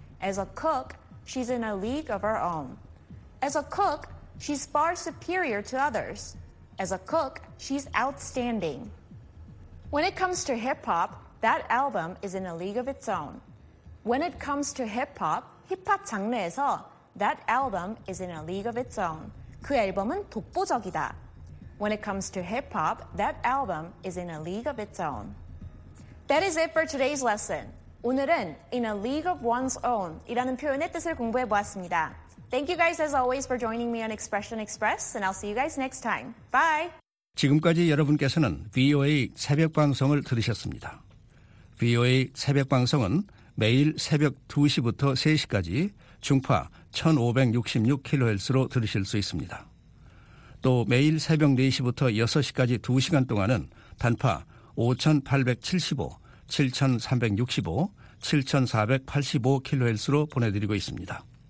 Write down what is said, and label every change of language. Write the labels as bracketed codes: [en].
[en] As a cook, she's in a league of her own. As a cook, she's far superior to others. As a cook, she's outstanding. When it comes to hip-hop, that album is in a league of its own. When it comes to hip-hop, [ko] 힙합 장르에서 [en] that album is in a league of its own. [ko] 그 앨범은 독보적이다. [en] When it comes to hip-hop, that album is in a league of its own. That is it for today's lesson. [ko] 오늘은 [en] in a league of one's own [ko] 이라는 표현의 뜻을 공부해 보았습니다. [en] Thank you guys as always for joining me on Expression Express, and I'll see you guys next time. Bye! [ko] 지금까지 여러분께서는 VOA 새벽 방송을 들으셨습니다. VOA 새벽 방송은 매일 새벽 2시부터 3시까지 중파 1566kHz로 들으실 수 있습니다. 또 매일 새벽 4시부터 6시까지 2시간 동안은 단파 5875, 7365, 7485kHz로 보내드리고 있습니다.